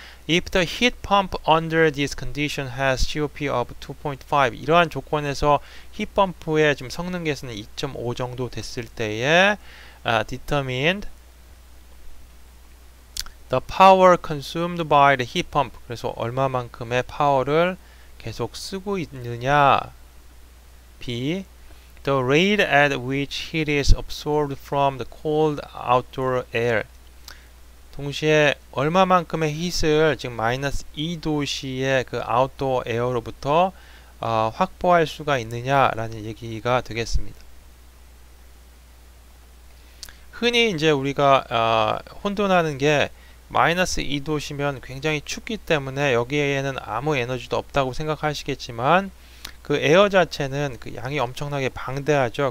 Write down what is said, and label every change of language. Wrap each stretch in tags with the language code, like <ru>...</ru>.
<en>If the heat pump under this condition has COP of 2.5,</en> <ko>이러한 조건에서 힙펌프의 지금 성능 개수는 2.5 정도 됐을 때에</ko> <en>determined the power consumed by the heat pump.</en> <ko>그래서 얼마만큼의 파워를 계속 쓰고 있느냐.</ko> <en>B. The rate at which heat is absorbed from the cold outdoor air.</en> <ko>동시에 얼마만큼의 힛을 지금 마이너스 2도시의 그 아웃도어 에어로부터 확보할 수가 있느냐라는 얘기가 되겠습니다. 흔히 이제 우리가 혼돈하는 게 마이너스 2도시면 굉장히 춥기 때문에 여기에는 아무 에너지도 없다고 생각하시겠지만 그 에어 자체는 그 양이 엄청나게 방대하죠.</ko>